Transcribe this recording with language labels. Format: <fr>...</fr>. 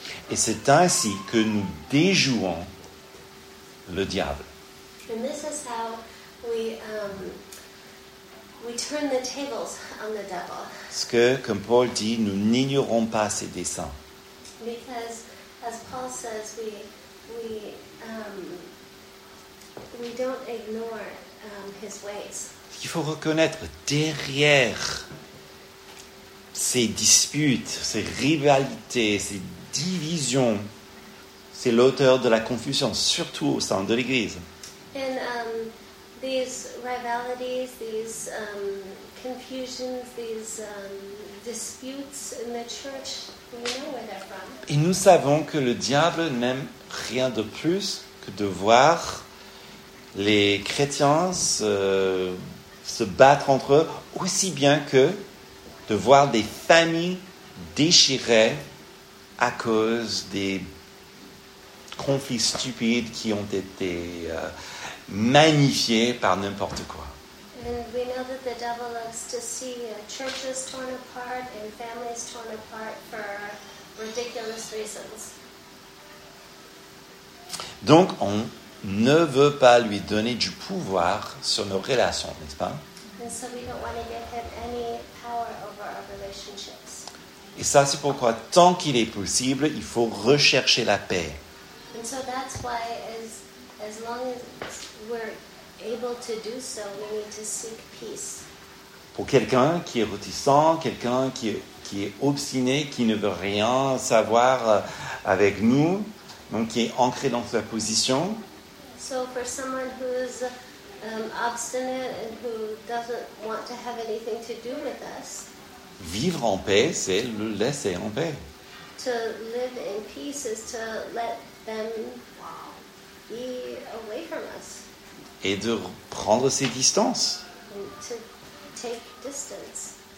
<fr>Et c'est ainsi que nous déjouons le diable.</fr> <en>And this is how we turn the tables on the devil.</en> <fr>Parce que, comme Paul dit, nous n'ignorons pas ses desseins.</fr> <en>Because, as Paul says, we don't ignore his ways.</en> <fr>Il faut reconnaître derrière ces disputes, ces rivalités, ces divisions, c'est l'auteur de la confusion, surtout au sein de l'Église.</fr> <en>And these rivalities, these confusions, these disputes in the church, we know where they're from.</en> <fr>Et nous savons que le diable n'aime rien de plus que de voir les chrétiens se battre entre eux, aussi bien que de voir des familles déchirées à cause des conflits stupides qui ont été magnifiés par n'importe quoi.</fr> <en>And we know that the devil loves to see churches torn apart and families torn apart for ridiculous reasons.</en> <fr>Donc, on ne veut pas lui donner du pouvoir sur nos relations, n'est-ce pas?</fr> <en>And so we don't want to give him any power over our relationships.</en> <fr>Et ça, c'est pourquoi, tant qu'il est possible, il faut rechercher la paix.</fr> <en>And so that's why, as long as we're able to do so, we need to seek peace.</en> <fr>Pour quelqu'un qui est réticent, quelqu'un qui est obstiné, qui ne veut rien savoir avec nous, donc qui est ancré dans sa position.</fr> <en>So for someone who is obstinate and who doesn't want to have anything to do with us.</en> <fr>Vivre en paix, c'est le laisser en paix.</fr> <en>To live in peace is to let them be away from us.</en> <fr>Et de prendre ses distances.</fr> <en>And to take distance.</en>